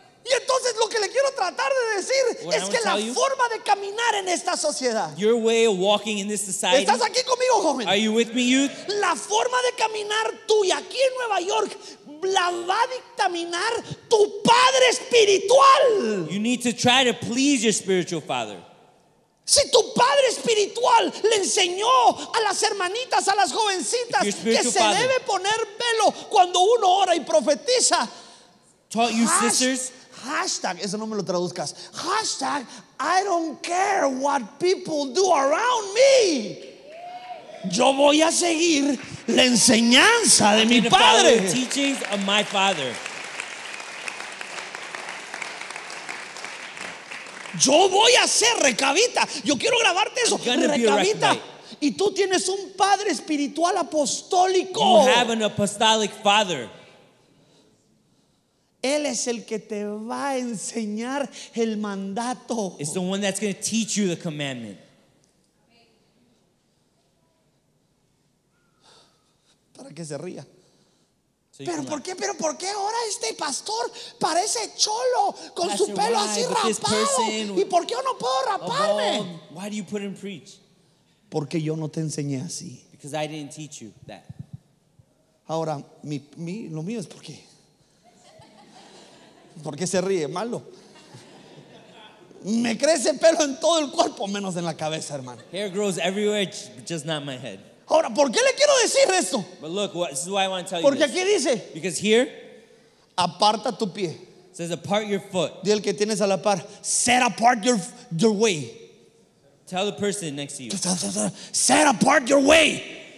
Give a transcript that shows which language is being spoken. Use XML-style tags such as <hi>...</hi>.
<es>Y entonces lo que le quiero tratar de decir es que la forma de caminar en esta sociedad.</es> <en>Your way of walking in this society.</en> <es>¿Estás aquí conmigo, joven?</es> <en>Are you with me, youth?</en> <es>La forma de caminar tuya aquí en Nueva York la va a dictaminar tu padre espiritual.</es> <en>You need to try to please your spiritual father.</en> <es>Si tu padre espiritual le enseñó a las hermanitas, a las jovencitas que se debe poner velo cuando uno ora y profetiza.</es> <en>Taught you sisters.</en> <es>Hashtag, eso no me lo traduzcas.</es> <en>Hashtag, I don't care what people do around me.</en> <es>Yo voy a seguir la enseñanza de mi padre.</es> <en>The teachings of my father.</en> <es>Yo voy a ser Recabita. Yo quiero grabarte eso. Recabita. Y tú tienes un padre espiritual apostólico.</es> <en>You have an apostolic father.</en> <es>Él es el que te va a enseñar el mandato.</es> <en>It's the one that's going to teach you the commandment.</en> <es>Para que se ría. Pero ¿por qué? Pero ¿por qué ahora este pastor parece cholo con su pelo así rapado? ¿Y por qué yo no puedo raparme?</es> <en>Why do you put him preach?</en> <es>Porque yo no te enseñé así.</es> <en>Because I didn't teach you that.</en> <es>Ahora mi lo mío es porque. ¿Por qué se ríe? Malo. Me crece pelo en todo el cuerpo menos en la cabeza, hermano.</es> <en>Hair grows everywhere, just not my head.</en> <es>Ahora, ¿por qué le quiero decir esto?</es> <en>But look, this is why I want to tell</en> <es>Porque</es> <en>you this.</en> <es>Aquí dice.</es> <en>Because here,</en> <es>aparta tu pie.</es> <en>Says apart your foot.</en> <es>Dile el que tienes a la par,</es> <en>set apart your way. Tell the person next to you. Set apart your way.</en>